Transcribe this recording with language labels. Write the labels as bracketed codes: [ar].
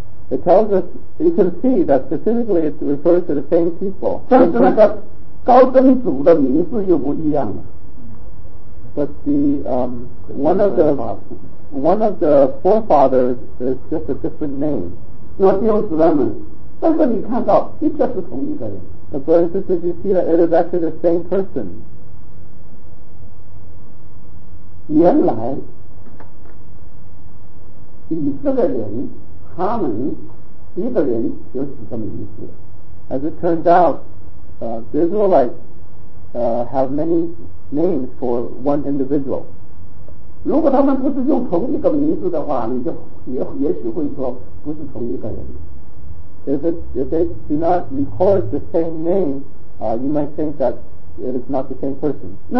[en] It tells us, you can see that specifically it refers to the same people. But the one of the forefathers is just a different name. Not Yosemite. [zh] 但是你看到,的确是同一个人。 [en] But it's just, you see that it is actually the same person. [zh] 原来,以色列人,他们,一个人有几个名字。 [en] As it turns out, the Israelites have many names for one individual. [zh] 如果他们不是用同一个名字的话,你就也许会说不是同一个人。 [en] If they do not record the same name, you might think that it is not the same person.